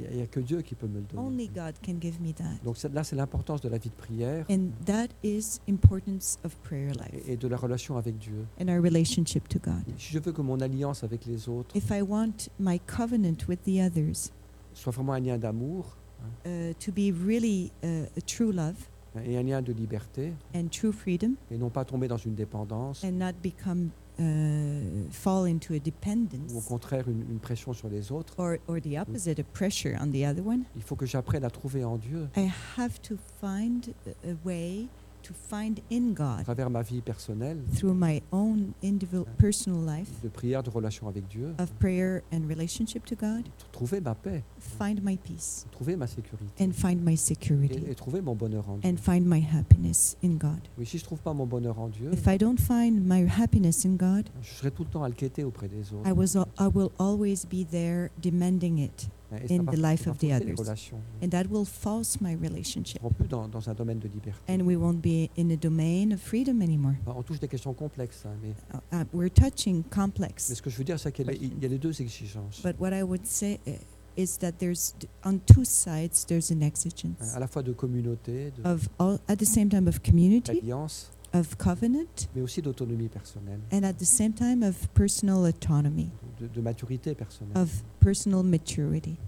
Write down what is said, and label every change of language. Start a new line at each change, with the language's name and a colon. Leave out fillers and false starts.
French: Il n'y a que Dieu qui peut me le donner.
English: Only God can give me that.
French: Donc là, c'est l'importance de la vie de prière.
English: And that is importance of prayer life.
French: Et de la relation avec Dieu.
English: And our relationship to God.
French: Si je veux que mon alliance avec les autres,
English: if I want my covenant with the others,
French: soit vraiment un lien d'amour,
English: to be really a true love,
French: et un lien de liberté,
English: and true freedom,
French: et non pas tomber dans une dépendance,
English: and not become fall into a dependence,
French: ou au contraire une pression sur les autres,
English: or the opposite, a pressure on the other one.
French: Il faut que j'apprenne à trouver en Dieu.
English: I have to find a way to find in God,
French: à travers ma vie personnelle,
English: through my own individual personal life,
French: de prière, de relation avec Dieu,
English: of prayer and relationship to God,
French: trouver ma paix,
English: find my peace,
French: trouver ma sécurité,
English: and find my security,
French: et trouver mon bonheur en Dieu,
English: and find my happiness in God.
French: Oui, si je trouve pas mon bonheur en Dieu,
English: if I don't find my happiness in God,
French: je serai tout le temps à le quêter auprès des autres.
English: I will always be there demanding it. In the life of the others. And that will force my relationship.
French: On peut dans un domaine de liberté.
English: And we won't be in a domain of freedom anymore.
French: On touche des questions complexes, mais
English: we're touching complex.
French: Mais ce que je veux dire, c'est qu'il y a les deux exigences.
English: But what I would say is that there's on two sides there's an exigence.
French: À la fois de communauté,
English: at the same time of community,
French: d'alliance,
English: of covenant,
French: mais aussi d'autonomie personnelle,
English: and at the same time of personal autonomy.
French: De maturité personnelle.
English: Of personal maturity.